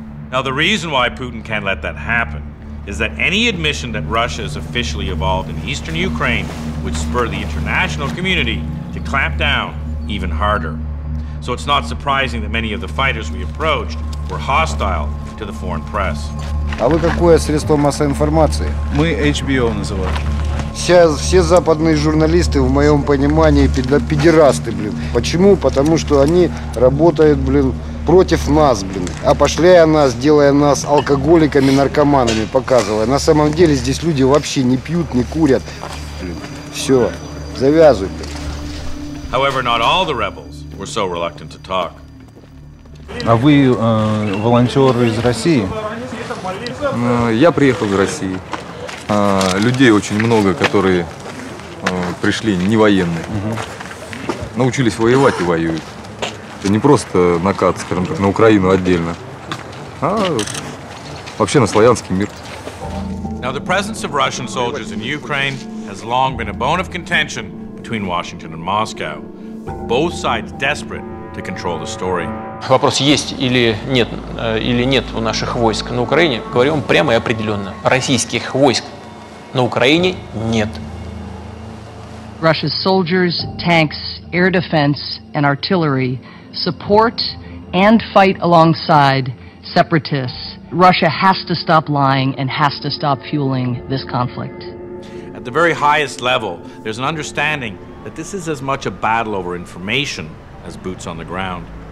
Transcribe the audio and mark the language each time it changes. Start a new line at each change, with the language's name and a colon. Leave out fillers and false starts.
English: Now, the reason why Putin can't let that happen is that any admission that Russia is officially involved in eastern Ukraine would spur the international community to clamp down even harder. So it's not surprising that many of the fighters we approached were hostile to the foreign press.
Russian: А вы какое средство массовой информации? Мы HBO называем. Все западные журналисты, в моем понимании, педерасты, блин. Почему? Потому что они работают, блин, против нас, блин. Опошляя нас, делая нас алкоголиками, наркоманами, показывая. На самом деле здесь люди вообще не пьют, не курят. Блин, все, завязывай, блин.
English: However, not all the rebels were so reluctant to talk.
Russian: А вы волонтер из России? Я приехал из России. Людей очень много, которые пришли не военные. Научились воевать и воюют. Это не просто накат, скажем так, на Украину отдельно, а вообще на славянский мир.
English: Now the presence of Russian soldiers in Ukraine has long been a bone of contention between Washington and Moscow, with both sides desperate to control the story.
Russian: Вопрос, есть или нет у наших войск на Украине, говорим прямо и определенно. Российских войск на Украине нет.
English: Russia's soldiers, tanks, air defense and artillery support and fight alongside separatists. Russia has to stop lying and has to stop fueling this conflict. At the very highest level, there's an understanding that this is as much a battle over information as boots on the ground.